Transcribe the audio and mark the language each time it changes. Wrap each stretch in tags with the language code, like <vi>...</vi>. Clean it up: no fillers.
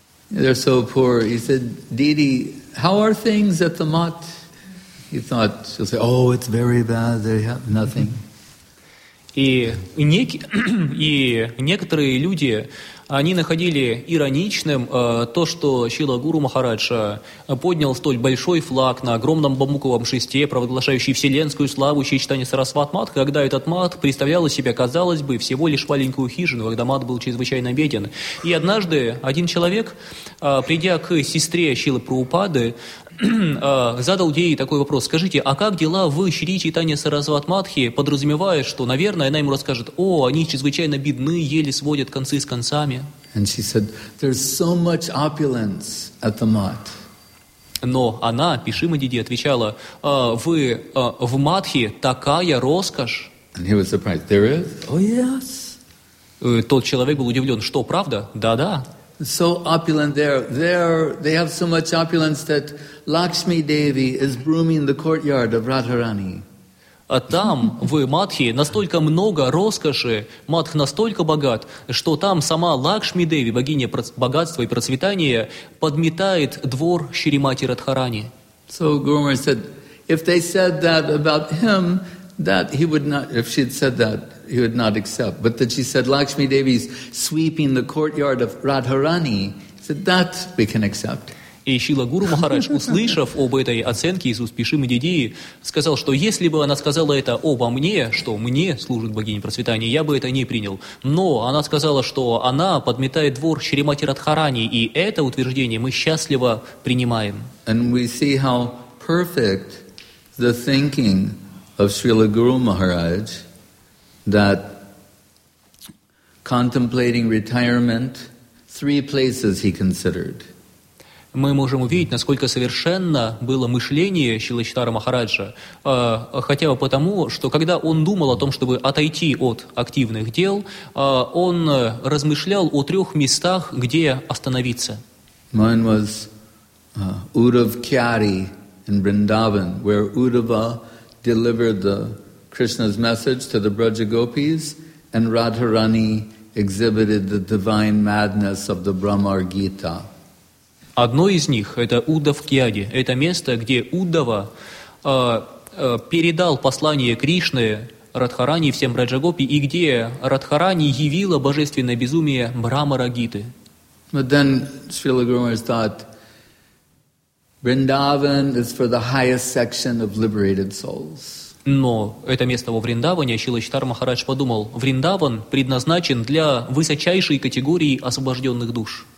<en>They're so poor. He said, Didi, how are things at the mat? He thought, she'll say, oh, it's very bad, they have nothing.</en> <ru>И некоторые люди, они находили ироничным то, что Шрила Гуру Махарадж поднял столь большой флаг на огромном бамбуковом шесте, провозглашающий вселенскую славу Чайтанья Сарасвати Матх, когда этот мат представлял из себя, казалось бы, всего лишь маленькую хижину, когда мат был чрезвычайно беден. И однажды один человек, придя к сестре Шрилы Прабхупады, задал ей такой вопрос: скажите, а как дела в Шри Чайтанья Сарасвати Матхе, подразумевая, что, наверное, она ему расскажет, о, они чрезвычайно бедны, еле сводят концы с концами.</ru> <en>And she said, there's so much opulence at the mat.</en> <ru>Но она, Пишима Диди, отвечала, в Матхе такая роскошь.</ru> <en>And he was surprised, there is? Oh, yes.</en> <ru>Тот человек был удивлен, что, правда? Да-да.</ru> <en>So opulent there. There, they have so much opulence that Lakshmi Devi is brooming the courtyard of Radharani.</en> <ru>А там, в Матхе, настолько много роскоши, Матх настолько богат, что там сама Лакшми Деви, богиня богатства и процветания, подметает двор Шримати Радхарани.</ru> <en>So Gurumar said, if they said that about him, that he would not, if she had said that, he would not accept. But that she said, Lakshmi Devi is sweeping the courtyard of Radharani, he said, that we can accept.</en> <ru>И Шрила Гуру Махарадж, услышав об этой оценке из уст Пишимы Дидии, сказал, что если бы она сказала это обо мне, что мне служит богиня процветания, я бы это не принял. Но она сказала, что она подметает двор Шримати Радхарани, и это утверждение мы счастливо принимаем.</ru> <en>And we see how perfect the thinking of Шрила Гуру Махарадж, that contemplating retirement, three places he considered.</en> <ru>Мы можем увидеть, насколько совершенно было мышление Шрилы Чайтаньи Махараджа, хотя бы потому, что когда он думал о том, чтобы отойти от активных дел, он размышлял о трех местах, где остановиться.</ru> <en>Mine was Uddhav Kyari in Vrindavan, where Uddhava delivered the Krishna's message to the Braja Gopis, and Radharani exhibited the divine madness of the Brahmar Gita.</en> <ru>Одно из них – это Уддав Кьяди. Это место, где Уддава передал послание Кришны Радхарани и всем Раджагопи, и где Радхарани явила божественное безумие Брамара Гиты.</ru> <en>But then Srila Guru Maharaj thought, Vrindavan is for the highest section of liberated souls.</en> <ru>Но это место во Вриндаване, Шрила Чайтанья Махарадж подумал, Вриндаван предназначен для высочайшей категории освобожденных душ.</ru>